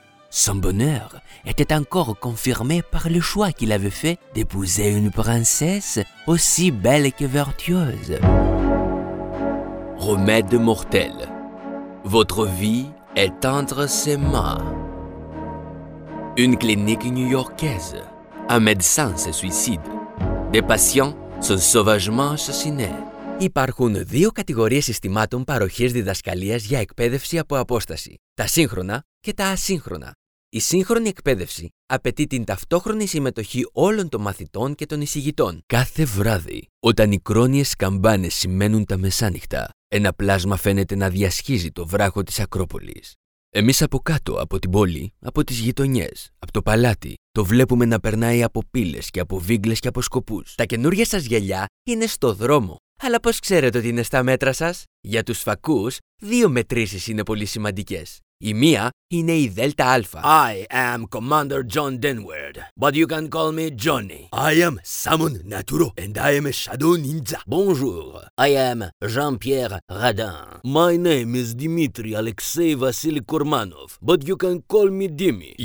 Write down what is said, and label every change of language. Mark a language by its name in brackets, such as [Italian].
[French] Son bonheur était encore confirmé par le choix qu'il avait fait d'épouser une princesse aussi belle que vertueuse. Remède mortel, votre vie est entre ses mains. Une clinique new-yorkaise, un médecin se suicide, des patients sont sauvagement assassinés. [Greek] Υπάρχουν δύο κατηγορίες συστημάτων παροχής διδασκαλίας για εκπαίδευση από απόσταση, τα σύγχρονα και τα ασύγχρονα. Η σύγχρονη εκπαίδευση απαιτεί την ταυτόχρονη συμμετοχή όλων των μαθητών και των εισηγητών. Κάθε βράδυ, όταν οι κρόνιες καμπάνες σημαίνουν τα μεσάνυχτα, ένα πλάσμα φαίνεται να διασχίζει το βράχο της Ακρόπολης. Εμείς από κάτω, από την πόλη, από τις γειτονιές, από το παλάτι, το βλέπουμε να περνάει από πύλες και από βίγκλες και από σκοπούς. Τα καινούργια σας γυαλιά είναι στο δρόμο. Αλλά πώς ξέρετε ότι είναι στα μέτρα σας? Για τους φακούς, δύο μετρήσεις είναι πολύ σημαντικές. Η μία είναι η Δέλτα Αλφα. [English] I am Commander John Denward, but you can call me Johnny. I am Samon Naturo, and I am a Shadow Ninja. Bonjour, I am Jean-Pierre Radin. My name is Dimitri Alexei Vasily Kormanov, but you can call me Dimi.